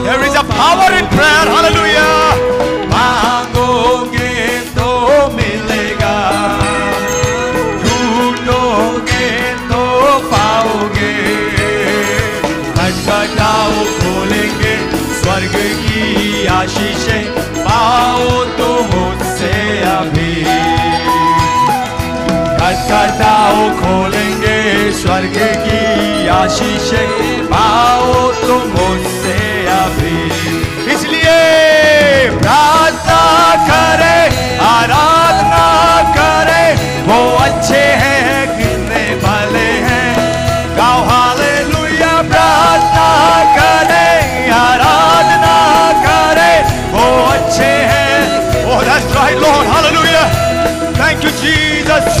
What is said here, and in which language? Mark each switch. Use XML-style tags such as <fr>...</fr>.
<en>There is a power in prayer hallelujah</en> <hi>मांगोगे तो मिलेगा ढूंढोगे तो पाओगे खटखटाओ खोलेंगे स्वर्ग की आशीषें पाओ तो मुझसे अभी खटखटाओ खोलेंगे स्वर्ग की आशीषें पाओ तुम मुझसे अभी इसलिए प्रार्थना करे आराधना करे वो अच्छे हैं कितने भले हैं गाओ हालेलुया प्रार्थना करे आराधना करे वो अच्छे हैं</hi> <en>Oh that's right Lord hallelujah Thank you Jesus</en>